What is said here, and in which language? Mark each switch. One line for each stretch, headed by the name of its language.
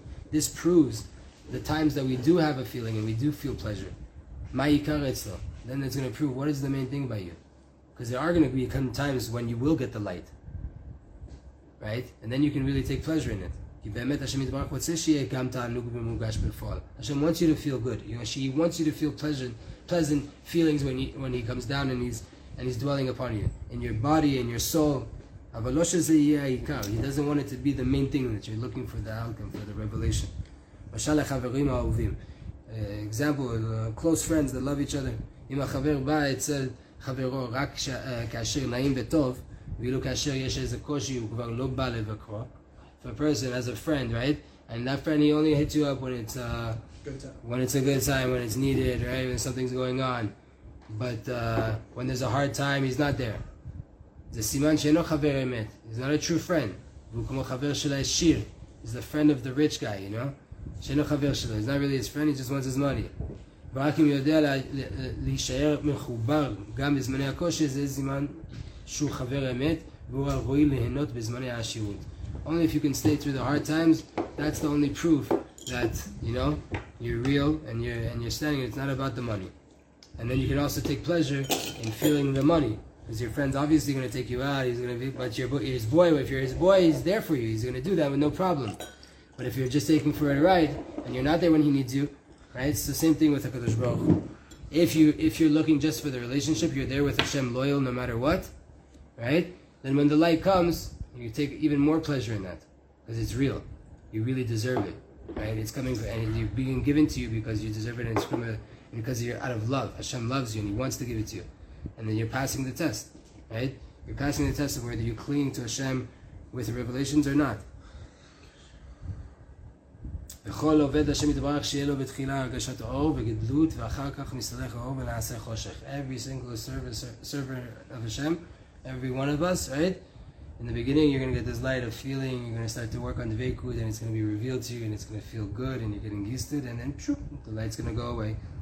English: This proves the times that we do have a feeling and we do feel pleasure. Then it's going to prove what is the main thing about you. Because there are going to be times when you will get the light. Right? And then you can really take pleasure in it.
Hebrew: כי באמת השם יתברך רוצה שיהיה גם תענוג ומורגש בפועל.
English: השם wants you to feel good. He wants you to feel pleasant feelings when he comes down and he's dwelling upon you. In your body, in your soul.
Hebrew: אבל לא שזה יהיה העיקר.
English: He doesn't want it to be the main thing that you're looking for the outcome, for the revelation.
Hebrew: משל לחברים האהובים.
English: Example, close friends that love each other.
Hebrew: אם החבר בא אצל חברו רק כאשר נעים וטוב, ואילו כאשר יש איזה קושי הוא כבר לא בא לבקרו,
English: a person as a friend, right? And that friend, he only hits you up when it's a good time. When it's a good time, when it's needed, right? When something's going on. But when there's a hard time, he's not there.
Hebrew: זה סימן שאינו חבר אמת.
English: He's not a true friend.
Hebrew: והוא כמו חבר של העשיר.
English: He's the friend of the rich guy, you know?
Hebrew: שאינו חבר שלו.
English: He's not really his friend, he just wants his money.
Hebrew: ורק אם יודע להישאר מחובר גם בזמני הקושי, זה זמן שהוא חבר אמת, והוא הרבוי להנות בזמני העשירות.
English: Only if you can stay through the hard times, that's the only proof that, you know, you're real and you're standing, it's not about the money. And then you can also take pleasure in feeling the money. Because your friend's obviously going to take you out, he's going to be, but his boy, if you're his boy, he's there for you, he's going to do that with no problem. But if you're just taking for a ride, and you're not there when he needs you, right? It's the same thing with HaKadosh Baruch Hu. If you're looking just for the relationship, you're there with Hashem loyal no matter what, right? Then when the light comes, you take even more pleasure in that. Because it's real. You really deserve it, right? It's coming and it's being given to you because you deserve it, and it's from a, because you're out of love. Hashem loves you and He wants to give it to you. And then you're passing the test, right? You're passing the test of whether you're clinging to Hashem with the revelations or not.
Hebrew: וכל עובד השם יתברך שיהיה לו בתחילה הרגשת אור וגדלות ואחר כך מסתלך האור ונעשה חושך.
English: Every single server of Hashem, every one of us, right? In the beginning you're going to get this light of feeling, you're going to start to work on the Vekud and it's going to be revealed to you and it's going to feel good and you're getting used to it and then shoop, the light's going to go away.